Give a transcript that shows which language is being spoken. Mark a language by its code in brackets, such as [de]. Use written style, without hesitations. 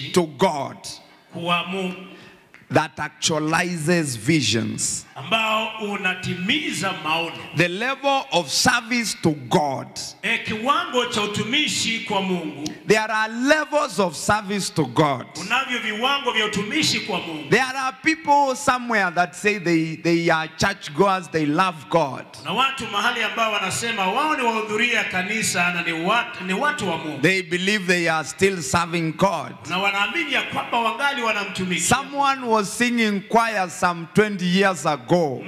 [en] to God [sw] kwa Mungu. [en] That actualizes visions. [sw] Ambao unatimiza maono. [en] The level of service to God. [sw] E kiwango cha utumishi kwa Mungu. [en] There are levels of service to God. [sw] Unavyo viwango vya utumishi kwa Mungu. [en] There are people somewhere that say they are church goers, they love God. [sw] Na watu mahali ambao wanasema wao ni wahudhuria kanisa na ni watu wa Mungu. [en] They believe they are still serving God. [sw] Na wanaamini ya kwamba wangali wanamtumikia. [en] Someone was singing choir some 20 years ago.